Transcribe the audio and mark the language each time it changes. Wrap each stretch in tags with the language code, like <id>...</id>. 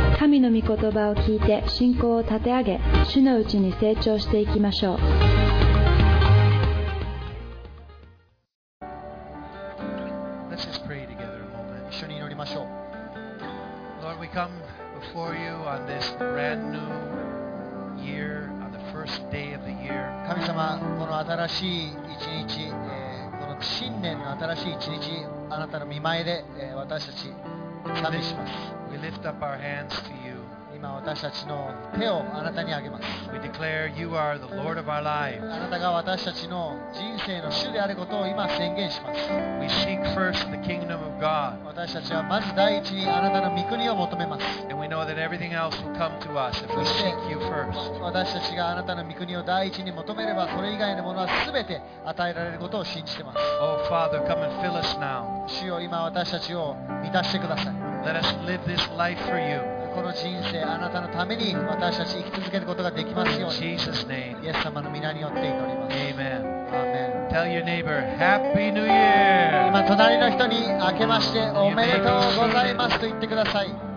<ja>神の御言葉を聞いて信仰を立て上げ、主のうちに成長していきましょう。</ja> <en>Let's just pray together a moment.</en> <ja>一緒に祈りましょう。</ja> <en>Lord, we come before you on this brand new year, on the first day of the year.</en> <ja>神様、この新しい一日、この新年の新しい一日、あなたの御前で、私たち賛美します。</ja> <en>We lift up our hands to you.</en> <ja>今私たちの手をあなたにあげます。</ja> <en>We declare you are the Lord of our lives.</en> <ja>あなたが私たちの人生の主であることを今宣言します。</ja> <en>We seek first the kingdom of God.</en> <ja>私たちはまず第一にあなたの御国を求めます。</ja> <en>And we know that everything else will come to us if we seek you first.</en> <ja>私たちがあなたの御国を第一に求めれば、それ以外のものはすべて与えられることを信じてます。</ja> <en>Oh Father, come and fill us now.</en> <ja>主よ、今私たちを満たしてください。</ja> <en>Let us live this life for you.</en> <ja>この人生、あなたのために私たち生き続けることができますように。</ja> <en>Jesus' name.</en> <ja>イエス様の皆によって祈ります。</ja> <en>Amen. Amen. Tell your neighbor, Happy New Year.</en> <ja>今隣の人に明けましておめでとうございますと言ってください。</ja>